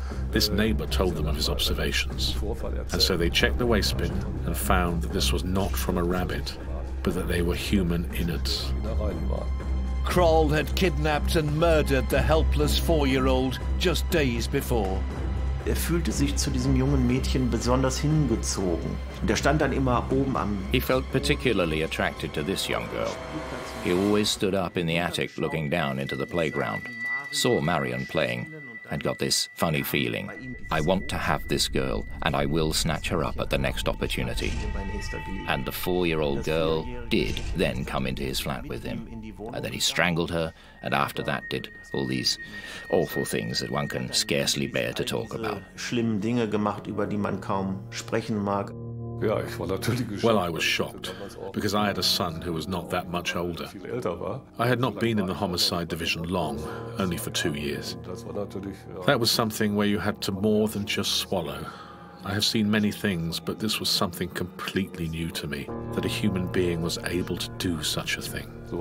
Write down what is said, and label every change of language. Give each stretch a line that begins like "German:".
English: This neighbour told them of his observations. And so they checked the waste bin and found that this was not from a rabbit, but that they were human innards. Kroll had kidnapped and murdered the helpless 4-year-old just days before.
German: Er fühlte sich zu diesem jungen Mädchen besonders hingezogen. Und er stand dann immer oben am...
English: He felt particularly attracted to this young girl. He always stood up in the attic looking down into the playground, saw Marion playing and got this funny feeling. I want to have this girl and I will snatch her up at the next opportunity. And the four-year-old girl did then come into his flat with him. And then he strangled her and after that did all these awful things that one can scarcely bear to talk about.
German: Schlimme Dinge gemacht, über die man kaum sprechen mag.
English: Well, I was shocked, because I had a son who was not that much older. I had not been in the homicide division long, only for 2 years. That was something where you had to more than just swallow. I have seen many things, but this was something completely new to me, that a human being was able to do such a thing.